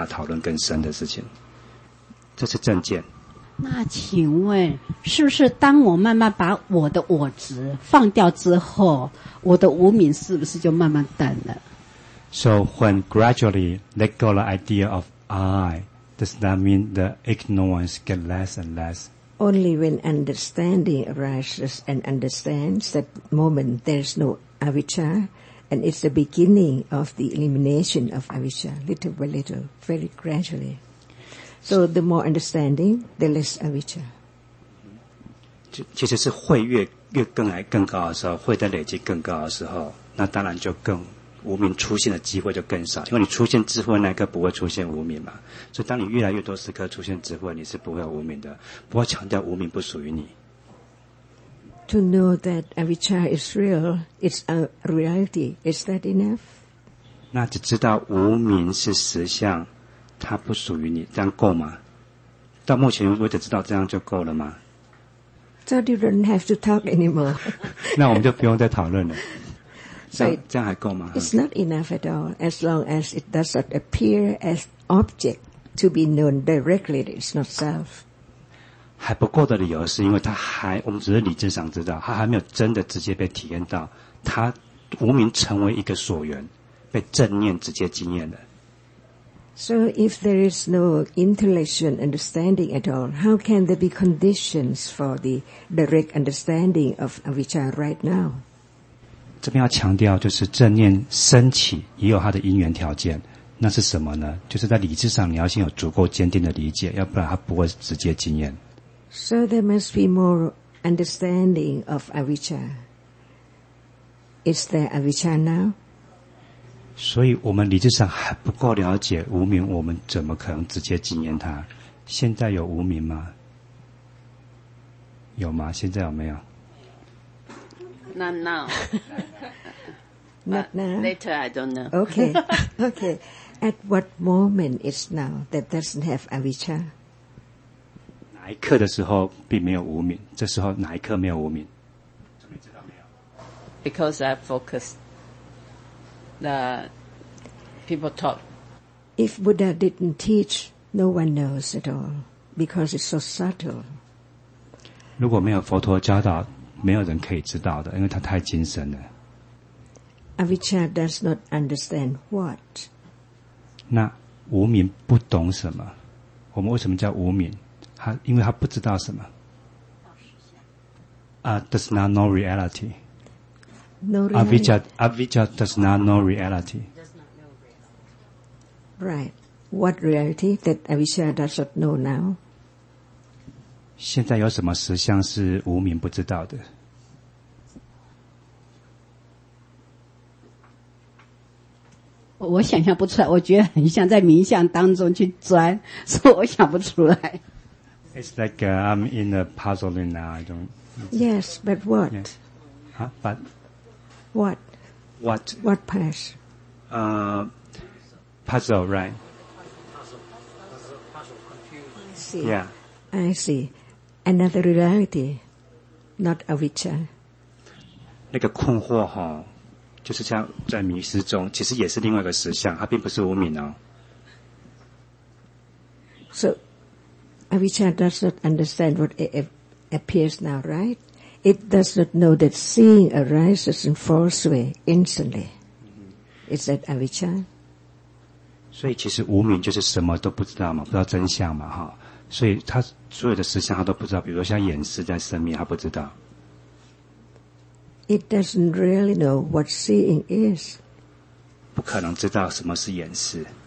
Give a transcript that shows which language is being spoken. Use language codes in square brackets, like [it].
[zh] 我们还不能往下讨论更深的事情。这是正见。那请问，是不是当我慢慢把我的我执放掉之后，我的无明是不是就慢慢淡了 [en] ？So when gradually let go the idea of I, does that mean the ignorance get less and less? Only when understanding arises and understands that moment, there's no avijja, and it's the beginning of the elimination of avijja, little by little, very gradually. So the more understanding, the less avijja. [zh] 其实是慧越更来更高的时候，慧的累积更高的时候，那当然就更无明出现的机会就更少。因为你出现智慧那一刻不会出现无明嘛，所以当你越来越多时刻出现智慧，你是不会有无明的。不过强调无明不属于你。 [en] To know that avijja is real, it's a reality. Is that enough? [zh] 那只知道无明是实相。它不属于你，这样够吗？到目前为止知道这样就够了吗 [en] ？So you don't have to talk anymore. [zh] 那我们就不用再讨论了。这样还够吗 [en] ？It's not enough at all. As long as it does not appear as object to be known directly, it's not self. [zh] 还不够的理由是因为它还，我们只是理智上知道，它还没有真的直接被体验到，它无明成为一个所缘，被正念直接经验了。 [en] So if there is no intellectual understanding at all, how can there be conditions for the direct understanding of avijja right now? [zh] 这边要强调就是正念升起也有它的因缘条件，那是什么呢？就是在理智上你要先有足够坚定的理解，要不然它不会直接经验。 [en] So there must be more understanding of avijja. Is there avijja now? [zh] 所以我们理智上还不够了解无明，我们怎么可能直接经验它？现在有无明吗？有吗？现在有没有 [en] ？Not now. Not now. Later, I don't know. Okay, okay. At what moment is now that doesn't have avijja? [zh] 哪一刻的时候并没有无明？这时候哪一刻没有无明？怎么知道没有 [en] ？Because I focus the. People talk. If Buddha didn't teach, no one knows at all because it's so subtle. [zh] 如果没有佛陀教导，没有人可以知道的，因为它太精深了。 [en] Avijja does not understand what. [zh] 那无明不懂什么？我们为什么叫无明？他因为他不知道什么。 [en] Does not know reality. No reality. Avijja does not know reality. Right. What reality that avijja does not know now? [zh] 现在有什么实相是无明不知道的？我想象不出来，我觉得很像在冥想当中去钻，所以我想不出来。 [en] It's like I'm in a puzzling now. I don't. Yes, but what? But what? What? What past? Puzzle, right? Puzzle, confused. I see. Yeah. I see. Another reality, not avijja. [zh] 那个困惑哈，就是像在迷失中，其实也是另外一个实相，它并不是无明哦。 [en] So, avijja does not understand what appears now, right? It does not know that seeing arises and falls away instantly. Is that avijja? [zh] 所以其实无明就是什么都不知道嘛，不知道真相嘛，哈。所以他所有的实相他都不知道，比如像眼识在生灭，他不知道。 [en] It doesn't really know what seeing is. [zh] 不可能知道什么是眼识。